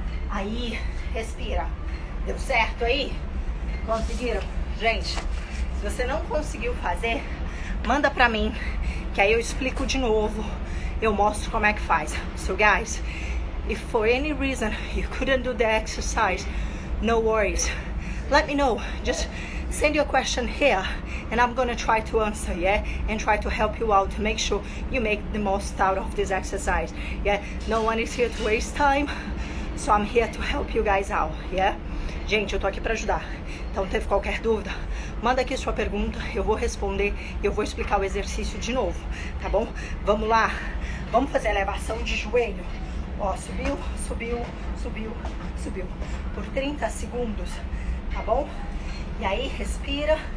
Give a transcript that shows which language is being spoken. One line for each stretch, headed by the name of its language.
Portuguese: Aí. Respira. Deu certo aí? Conseguiram? Gente, se você não conseguiu fazer, manda pra mim, que aí eu explico de novo. Eu mostro como é que faz.
English: So, guys, if for any reason you couldn't do the exercise, no worries. Let me know. Just send your question here, and I'm gonna try to answer, yeah? And try to help you out to make sure you make the most out of this exercise, yeah? No one is here to waste time. So I'm here to help you guys out, yeah?
Portuguese: Gente, eu tô aqui pra ajudar. Então, teve qualquer dúvida, manda aqui sua pergunta, eu vou responder, eu vou explicar o exercício de novo, tá bom? Vamos lá? Vamos fazer elevação de joelho. Ó, subiu, subiu, subiu, subiu. Por 30 segundos, tá bom? E aí, respira.